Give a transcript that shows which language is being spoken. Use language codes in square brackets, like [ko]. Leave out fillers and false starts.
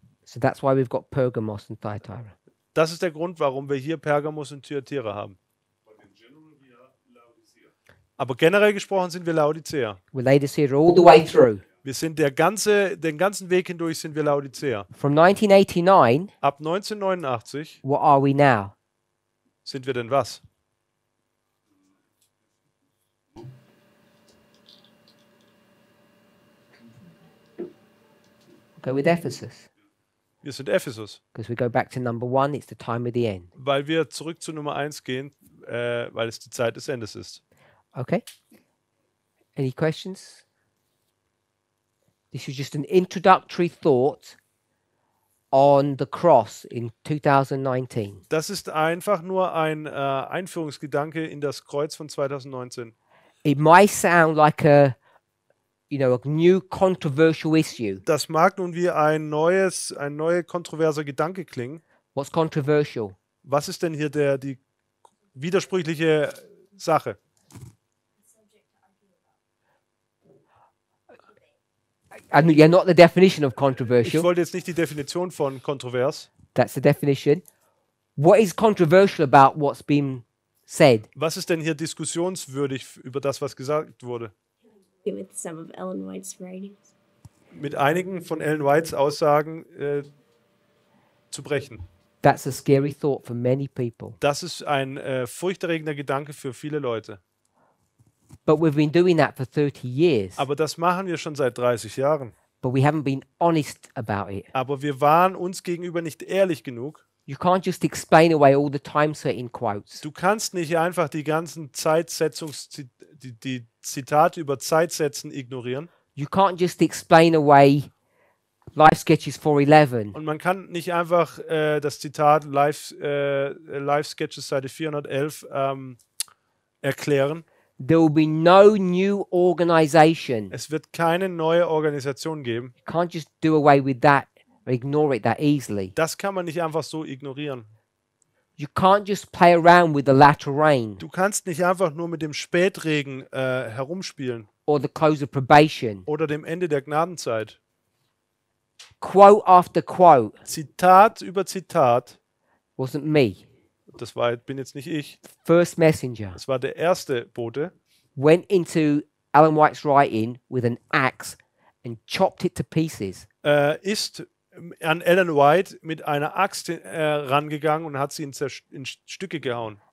[en] So that's why we've got Pergamos and Thyatira. [de] Das ist der Grund, warum wir hier Pergamos und Thyatira haben. Aber generell gesprochen sind wir Laodicea. [en] We're Laodicea all the way through. [de] Wir sind den ganzen Weg hindurch sind wir Laodicea. [en] From 1989. [de] Ab 1989. [en] What are we now? [de] Sind wir denn was? [en] Go with Ephesus. [de] Wir sind Ephesus. [en] Because we go back to number one, it's the time of the end. [de] Weil wir zurück zu Nummer 1 gehen, weil es die Zeit des Endes ist. [en] Okay. Any questions? This is just an introductory thought on the cross in 2019. [de] Das ist einfach nur ein Einführungsgedanke in das Kreuz von 2019. [en] It might sound like a new controversial issue. [de] Das mag nun wie ein neuer kontroverser Gedanke klingen. [en] What's controversial? [de] Was ist denn hier die widersprüchliche Sache? [en] And you're not the definition of controversial. [de] Ich wollte jetzt nicht die Definition von kontrovers. [en] That's the definition. What is controversial about what's been said? [de] Was ist denn hier diskussionswürdig über das, was gesagt wurde? [en] With some of Ellen White's writings. [de] Mit einigen von Ellen Whites Aussagen zu brechen. [en] That's a scary thought for many people. [de] Das ist ein furchterregender Gedanke für viele Leute. [en] But we've been doing that for 30 years. [de] Aber das machen wir schon seit 30 Jahren. [en] But we haven't been honest about it. [de] Aber wir waren uns gegenüber nicht ehrlich genug. [en] You can't just explain away all the time setting quotes. [de] Du kannst nicht einfach die ganzen die Zitate über Zeitsätzen ignorieren. [en] You can't just explain away Life Sketches 411. [de] Und man kann nicht einfach das Zitat Life Sketches Seite 411 erklären. [en] There will be no new organization. [de] Es wird keine neue Organisation geben. [en] You can't just do away with that or ignore it that easily. [de] Das kann man nicht einfach so ignorieren. [en] You can't just play around with the latter rain. [de] Du kannst nicht einfach nur mit dem Spätregen herumspielen. [en] Or the close of probation. [de] Oder dem Ende der Gnadenzeit. [en] Quote after quote. [de] Zitat über Zitat. [en] Wasn't me. [de] Das war, bin jetzt nicht ich. [en] First messenger. [de] Das war der erste Bote. [en] Went into Ellen White's writing with an axe and chopped it to pieces. [de] Ist an Ellen White mit einer Axt rangegangen und hat sie in Stücke gehauen.